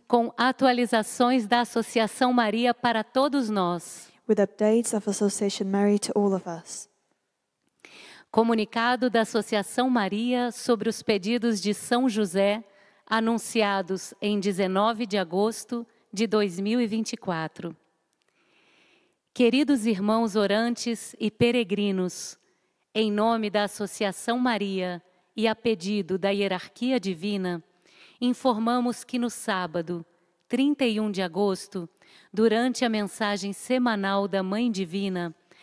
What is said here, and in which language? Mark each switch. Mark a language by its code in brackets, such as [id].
[pt] com atualizações da Associação Maria para todos nós. [en] With updates of Association Mary to all of us. [pt] Comunicado da Associação Maria sobre os pedidos de São José anunciados em 19 de agosto de 2024. Queridos irmãos orantes e peregrinos, em nome da Associação Maria e a pedido da Hierarquia Divina, informamos que no sábado, 31 de agosto, durante a mensagem semanal da Mãe Divina,